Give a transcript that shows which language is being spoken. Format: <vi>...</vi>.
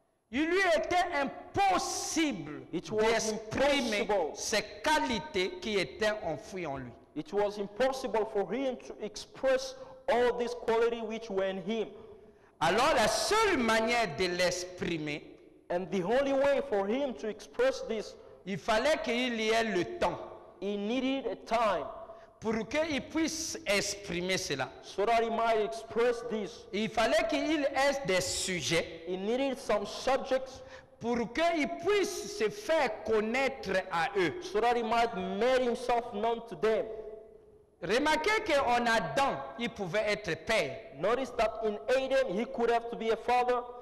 <fr>il lui était impossible d'exprimer ses qualités qui étaient enfouies en lui.</fr> <en>It was impossible for him to express all these qualities which were in him.</en> <fr>Alors la seule manière de l'exprimer,</fr> <en>and the only way for him to express this,</en> <fr>il fallait qu'il y ait le temps.</fr> <en>He needed a time.</en> <fr>Pour qu'il puisse exprimer cela.</fr> <en>So that he might express this.</en> <fr>Il fallait qu'il ait des sujets.</fr> <en>He needed some subjects.</en> <fr>Pour qu'il puisse se faire connaître à eux.</fr> <en>So that he might make himself known to them.</en> <fr>Remarquez qu'en Adam, il pouvait être père.</fr> <en>Notice that in Adam, he could have to be a father.</en>